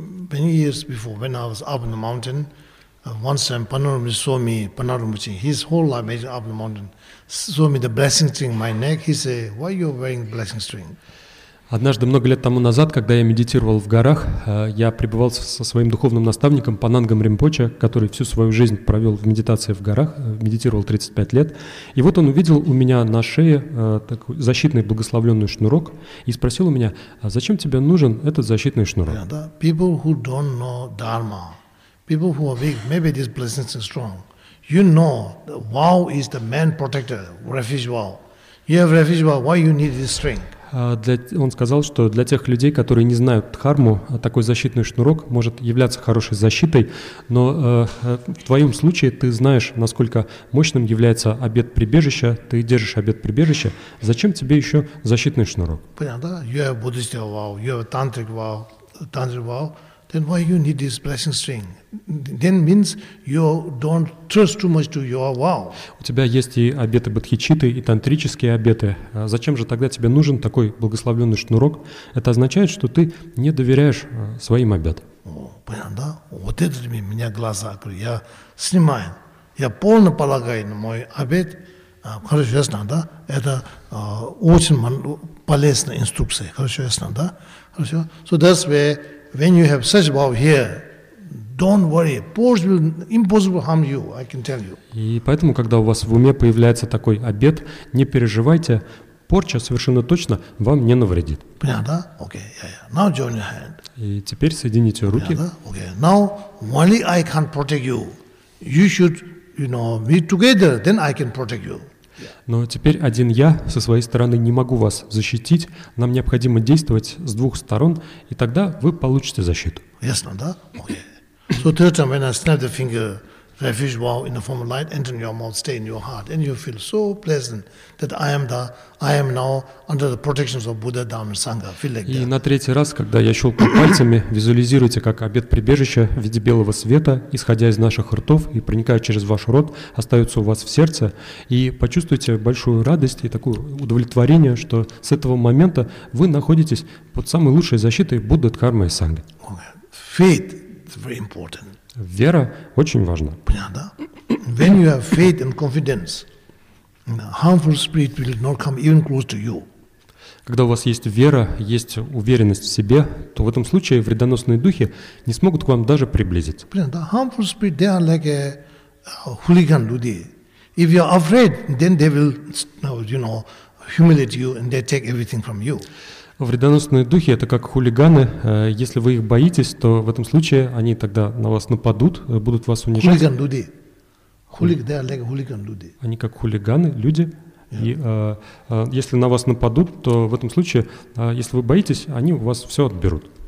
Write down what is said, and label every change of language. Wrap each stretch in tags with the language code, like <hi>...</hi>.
<en>Many years before, when I was up in the mountain, once time Panarumi saw me, Panarumi, his whole life made it up in the mountain, saw me the blessing string on my neck, he said, why are you wearing blessing string?</en> <ru>Однажды, много лет тому назад, когда я медитировал в горах, я пребывал со своим духовным наставником Панангом Ринпоче, который всю свою жизнь провел в медитации в горах, медитировал 35 лет. И вот он увидел у меня на шее такой защитный благословленный шнурок и спросил у меня, зачем тебе нужен этот защитный шнурок?</ru> <en>People who don't know Dharma, people who are weak, maybe this blessing is strong. You know, the vow is the main protector, refuge vow. You have refuge vow, why you need this string?</en> <ru>Он сказал, что для тех людей, которые не знают дхарму, такой защитный шнурок может являться хорошей защитой, но в твоем случае ты знаешь, насколько мощным является обет прибежища, ты держишь обет прибежища, зачем тебе еще защитный шнурок? Понятно, да?</ru> <en>You have Buddhist vow, you have tantric vow, then why you need this blessing string? Then means you don't trust too much to your vow.</en> <ru>У тебя есть и обеты бодхичитты, и тантрические обеты. Зачем же тогда тебе нужен такой благословленный шнурок? Это означает, что ты не доверяешь своим обетам. Понятно, да? Вот это для меня глаза открыли. Я снимаю. Я полно полагаю на мой обет. Хорошо, ясно, да? Это очень полезная инструкция. Хорошо, ясно, да? Хорошо.</ru> <en>So that's where when you have such vow here, don't worry, force will impossible harm you, I can tell you.</en> <ru>И поэтому, когда у вас в уме появляется такой обет, не переживайте, порча совершенно точно вам не навредит. Понятно, да?</ru> <en>Okay, yeah. Now join your hand.</en> <ru>И теперь соедините руки. Понятно,</ru> <en>okay. Now only I can protect you. You should, be together, then I can protect you.</en> <ru>Но теперь один я со своей стороны не могу вас защитить. Нам необходимо действовать с двух сторон, и тогда вы получите защиту. Ясно, да? Okay.</ru> <en>So third time, when I snap the finger, refuge vow in the form of light, enter in your mouth, stay in your heart, and you feel so pleasant that I am now under the protection of Buddha, Dhamma, Sangha. Feel like that.</en> <ru>И на третий раз, когда я щелкаю пальцами, визуализируйте, как обет прибежища в виде белого света, исходя из наших ртов и проникая через ваш рот, остается у вас в сердце, и почувствуйте большую радость и такое удовлетворение, что с этого момента вы находитесь под самой лучшей защитой Будды, Дхармы и Сангхи.</ru> <en>Faith is very important.</en> <ru>Вера очень важна. Понятно?</ru> <en>When you have faith and confidence, harmful spirit will not come even close to you.</en> <ru>Когда у вас есть вера, есть уверенность в себе, то в этом случае вредоносные духи не смогут к вам даже приблизиться. Понятно?</ru> <en>Harmful spirit, they are like hooligan</en> <ru>люди.</ru> <en>If you are afraid, then they will, humiliate you and they take everything from you.</en> <ru>Вредоносные духи — это как хулиганы. Если вы их боитесь, то в этом случае они тогда на вас нападут, будут вас унижать. Хулиган люди.</ru> <en>They are like hooligan</en> <ru>люди. Они как хулиганы, люди.</ru> <en>Yeah.</en> <ru>И если на вас нападут, то в этом случае, если вы боитесь, они у вас все отберут.</ru>